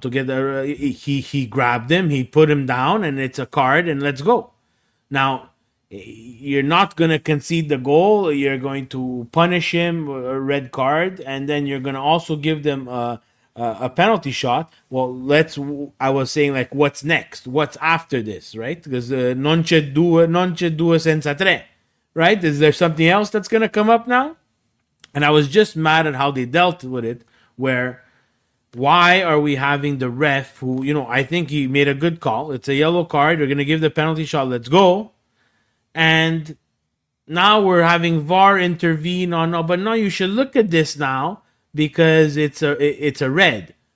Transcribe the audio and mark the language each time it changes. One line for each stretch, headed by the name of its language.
English: He grabbed him, he put him down, and it's a card, and let's go. Now, you're not going to concede the goal. You're going to punish him, a red card, and then you're going to also give them a penalty shot. Well, let's. I was saying, like, what's next? What's after this, right? Because
Italian: non c'è due senza tre,
English: right? Is there something else that's going to come up now? And I was just mad at how they dealt with it, where why are we having the ref who, you know, I think he made a good call. It's a yellow card. You're going to give the penalty shot. Let's go. And now we're having VAR intervene on, but no, you should look at this now because it's a red.